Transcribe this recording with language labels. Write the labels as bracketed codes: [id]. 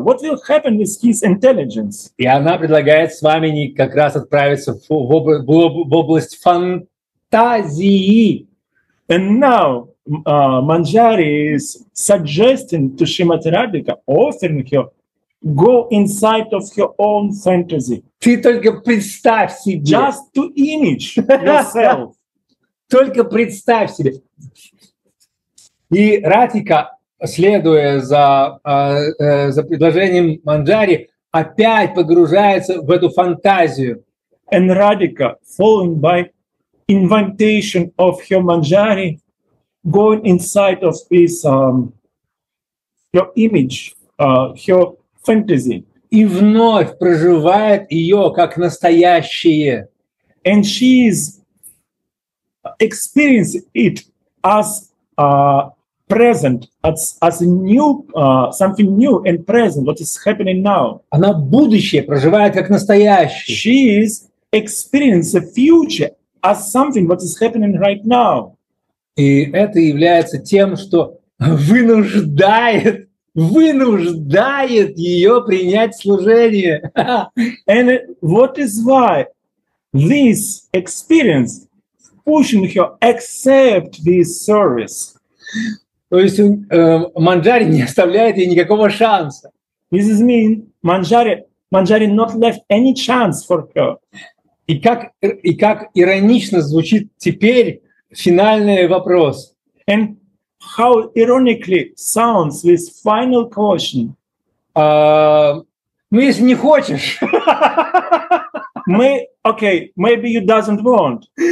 [en] What will happen with his intelligence? [ru] И она предлагает свамини как раз отправиться в область фантазии. [en] And now Manjari is suggesting to Shrimati Radhika, offering her, go inside of your own fantasy. [ru] Ты только представь себе. [en] Just to image yourself. [ru] Только представь себе. И Радхика, следуя за предложением Манджари, опять погружается в эту фантазию. [en] And Radhika, following by invitation of her Manjari, going inside of his her image, her fantasy. [ru] И вновь проживает ее как настоящее. [en] And she is experience it as present, as new, something new and present, what is happening now. [ru] Она будущее проживает как настоящее. [en] She is experience the future as something, what is happening right now. [ru] И это является тем, что вынуждает ее принять служение. [en] And what is why this experience pushing her accept this service. [ru] То есть Манджари не оставляет ей никакого шанса. [en] This is mean Manjari not left any chance for her. [ru] И как иронично звучит теперь финальный вопрос. [en] And how ironically sounds this final question? [ru] Ну, если не хочешь. [en] Okay, maybe you doesn't want.